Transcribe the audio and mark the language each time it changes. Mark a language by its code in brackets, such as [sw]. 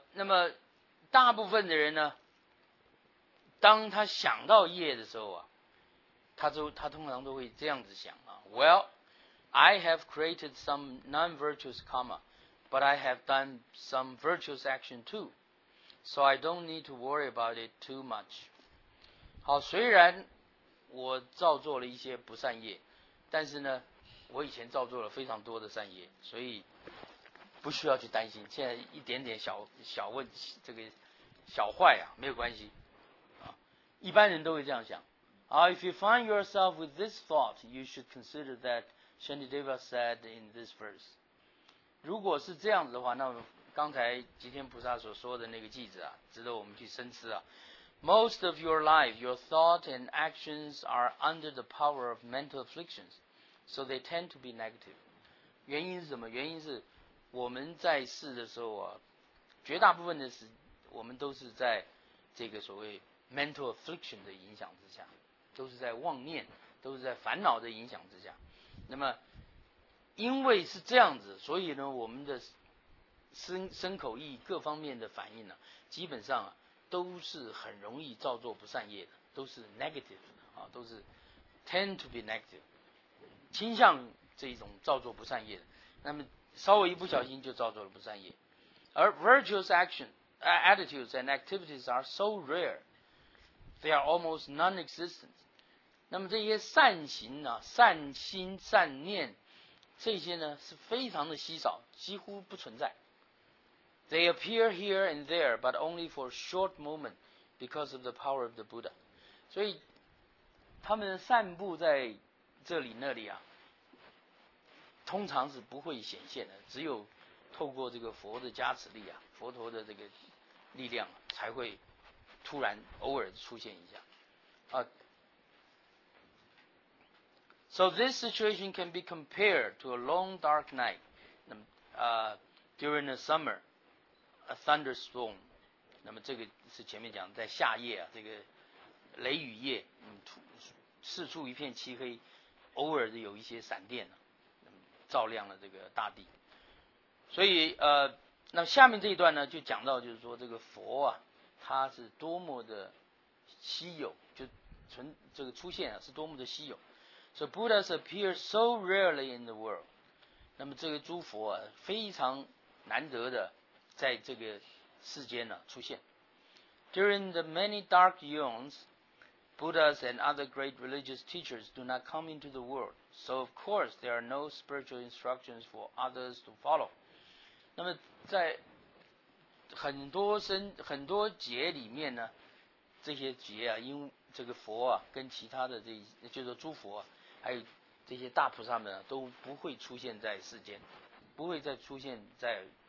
[zh] 那么大部分的人呢，当他想到业的时候啊，他通常都会这样子想啊， [en] Well, I have created some non-virtuous karma, but I have done some virtuous action too, so I don't need to worry about it too much. [zh] 好，虽然我造作了一些不善业，但是呢，我以前造作了非常多的善业，所以不需要去担心。现在一点点小问，这个小坏啊，没有关系。啊，一般人都会这样想。 [en] If you find yourself with this thought, you should consider that Shantideva said in this verse. [zh] 如果是这样子的话，那刚才吉天菩萨所说的那个句子啊，值得我们去深思啊。 [en] Most of your life, your thought and actions are under the power of mental afflictions, so they tend to be negative. [zh] 原因是什么？原因是我们在世的时候啊，绝大部分的时候我们都是在这个所谓 mental affliction 的影响之下，都是在妄念，都是在烦恼的影响之下。那么因为是这样子，所以呢，我们的身口意各方面的反应呢，基本上啊都是很容易造作不善业的，都是 negative 啊，都是 [en] tend to be negative， [zh] 倾向这种造作不善业的。那么稍微一不小心就造作了不善业。 [en] 而 virtuous action attitudes and activities are so rare, they are almost non-existent. [zh] 那么这些善行啊，善心善念，这些呢是非常的稀少，几乎不存在。 [en] They appear here and there, but only for a short moment because of the power of the Buddha. [zh] 所以他们散布在这里那里啊，通常是不会显现的，只有透过这个佛的加持力啊，佛陀的这个力量、啊、才会突然偶尔出现一下。 [en] So this situation can be compared to a long dark night, during the summer. A thunderstorm， [zh] 那么这个是前面讲的在夏夜啊，这个雷雨夜，四处一片漆黑，偶尔的有一些闪电、啊、照亮了这个大地。所以那下面这一段呢，就讲到就是说这个佛啊，它是多么的稀有，就存这个出现啊是多么的稀有。 [en] So Buddhas appear so rarely in the world， [zh] 那么这个诸佛啊，非常难得的。在这个世间呢、啊、出现。 [en] During the many dark eons, Buddhas and other great religious teachers do not come into the world, so of course there are no spiritual instructions for others to follow. [zh] 那么在很多劫里面呢，这些劫啊，因为这个佛啊跟其他的这就是诸佛、啊、还有这些大菩萨们、啊、都不会出现在世间，不会再出现在。